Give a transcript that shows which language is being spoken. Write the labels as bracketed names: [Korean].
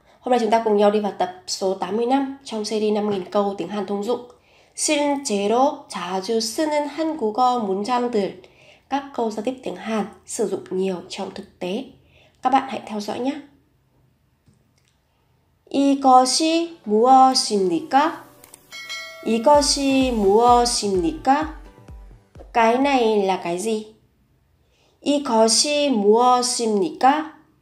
[Vietnamese] Hôm nay chúng ta cùng nhau đi vào tập số 85 trong series 5000 câu tiếng Hàn thông dụng. [Korean] 실제로 자주 쓰는 한국어 문장들. [Vietnamese] Các câu giao tiếp tiếng Hàn sử dụng nhiều trong thực tế. Các bạn hãy theo dõi nhé. [Korean] 이것이 무엇입니까? 이것이 무엇입니까? [Vietnamese] Cái này là cái gì? [Korean] 이것이 무엇입니까?